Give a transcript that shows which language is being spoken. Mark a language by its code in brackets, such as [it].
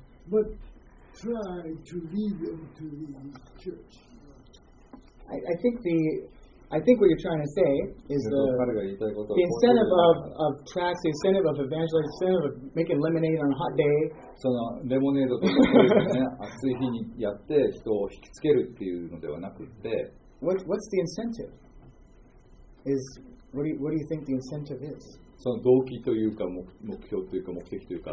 [en] But try to lead them to the church. I think what you're trying to say is the incentive of tracks, the incentive of evangelism, the incentive of making lemonade on a hot day. [ja] そのレモネードとかね、暑い日にやって人を引きつけるっていうのではなくて、 [en] What's the incentive? What do you think the incentive is? [ja] その動機というか目標というか目的というか。